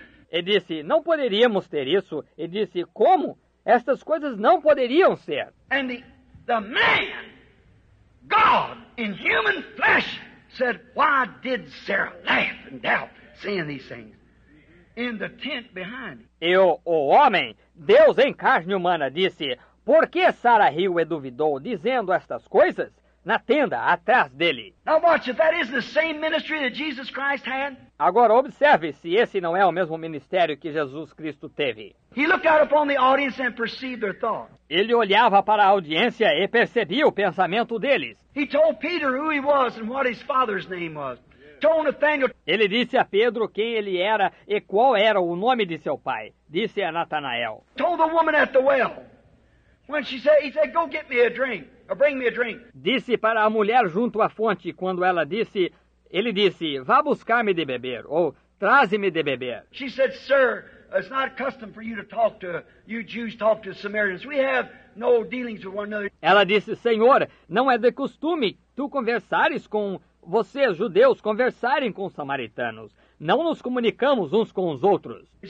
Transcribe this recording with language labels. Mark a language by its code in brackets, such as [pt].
[pt] E disse, não poderíamos ter isso. E disse, como? Estas coisas não poderiam ser. [en] And the man, God, in human flesh, said, why did Sarah laugh and doubt seeing these things in the tent behind him? [pt] E o homem, Deus em carne humana, disse, por que Sara riu e duvidou, dizendo estas coisas, na tenda, atrás dele? [en] Now watch, if that isn't the same ministry that Jesus Christ had. [pt] Agora observe, se esse não é o mesmo ministério que Jesus Cristo teve. [en] He looked out upon the audience and perceived their thought. [pt] Ele olhava para a audiência e percebia o pensamento deles. [en] He told Peter who he was and what his father's name was. [pt] Ele disse a Pedro quem ele era e qual era o nome de seu pai, disse a Natanael. [en] Told the woman at the well. When she said, he said, go get me a drink, or bring me a drink. [pt] Disse para a mulher junto à fonte, quando ela disse, ele disse, vá buscar-me de beber, ou traze-me de beber. [en] She said, sir, it's not custom for you to talk to, you Jews talk to Samaritans. We have no dealings with one another. [pt] Ela disse, senhor, não é de costume tu conversares com vocês, judeus, conversarem com samaritanos. Não nos comunicamos uns com os outros.